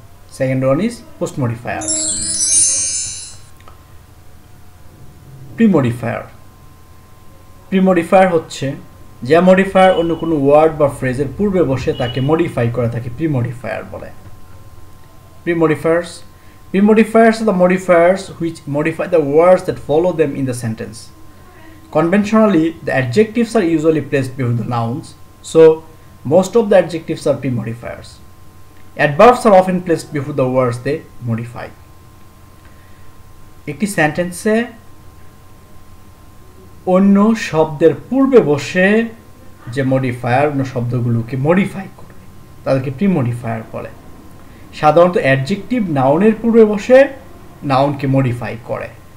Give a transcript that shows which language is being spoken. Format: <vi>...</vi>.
<en>Second one is post-modifier. Pre-modifier.</en> <bn>Pre-modifier হচ্ছে যে modifier অন্য কোনো word বা phrase পূর্বে বসে তাকে modify করে তাকে pre-modifier বলে.</bn> <en>Pre-modifiers. Pre-modifiers are the modifiers which modify the words that follow them in the sentence. Conventionally, the adjectives are usually placed before the nouns, so most of the adjectives are premodifiers. Adverbs are often placed before the words they modify.</en> <bn>একটি সেন্টেন্সে অন্য শব্দের পূর্বে বসে যে modifier অন্য শব্দগুলোকে modify করবে তাদেরকে প্রি মডিফায়ার বলে। সাধারণত অ্যাডজেক্টিভ নাউনের পূর্বে বসে নাউনকে মডিফাই করে।</bn>